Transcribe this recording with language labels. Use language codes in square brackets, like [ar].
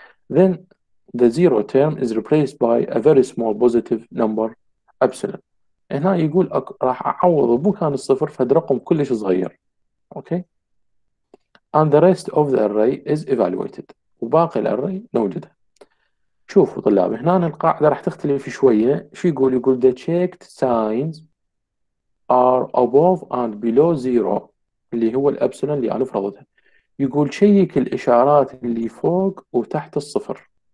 [en] Then the zero term is replaced by a very small positive number epsilon. [ar] هنا يقول راح أعوض بو كان الصفر فهذا رقم كلش صغير. [en] Okay. And the rest of the array is evaluated. [ar] وباقي ال array نوجده. شوفوا طلاب هنا القاعدة راح تختلف في شوية. شو يقول؟ يقول [en] the checked signs are above and below zero [ar] اللي هو الابسلون اللي انا فرضته. يقول شيك الاشارات اللي فوق وتحت الصفر.